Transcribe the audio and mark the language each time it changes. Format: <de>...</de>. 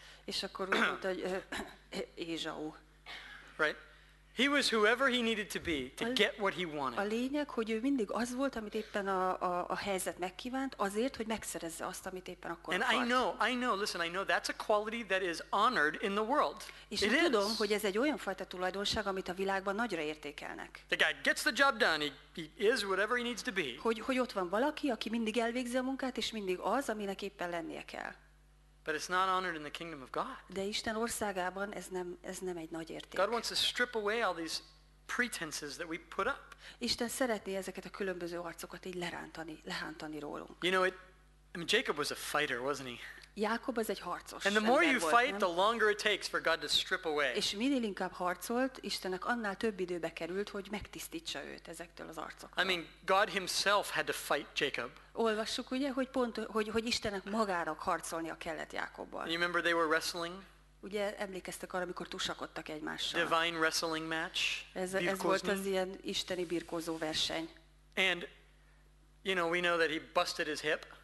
<hu>És akkor úgy mondta, hogy Ézsau.</hu> <en>Right. He was whoever he needed to be to get what he wanted.</en> <hu>A lényeg, hogy ő mindig az volt, amit éppen a helyzet megkívánt, azért, hogy megszerezze azt, amit éppen akkor</hu> <en>And</en> <hu>akart.</hu> <en>I know, that's a quality that is honored in the world.</en> <hu>És</hu> <en>it</en> <hu>tudom,</hu> <en>is.</en> <hu>Hogy ez egy olyan fajta tulajdonság, amit a világban nagyra értékelnek.</hu> <en>The guy gets the job done, he is whatever he needs to be.</en> <hu>Hogy ott van valaki, aki mindig elvégzi a munkát, és mindig az, aminek éppen lennie kell.</hu> <en>But it's not honored in the kingdom of God.</en> <hu>De Isten országában ez nem egy nagy érték.</hu> <en>God wants to strip away all these pretenses that we put up.</en> <hu>Isten szeretné ezeket a különböző arcokat így lehántani rólunk.</hu> <en>You know, Jacob was a fighter, wasn't he?</en> <hu>Jákob az egy harcos.</hu> <en>And the more you fight,</en> <hu>nem?</hu> <en>The longer it takes for God to strip away.</en> <hu>És minél inkább harcolt, Istennek annál több időbe került, hogy megtisztítsa őt ezektől az arcoktól.</hu> <en>I mean, God himself had to fight Jacob.</en> <hu>Olvassuk ugye, hogy pont, hogy Istennek magának harcolnia kellett Jákobban.</hu> <en>You remember they were wrestling?</en> <hu>Ugye emlékeztek arra, amikor tusakodtak egymással.</hu> <en>Divine wrestling match.</en> <hu>Ez volt az ilyen isteni birkózó verseny.</hu> <en>And you know, we know that he busted his hip.</en>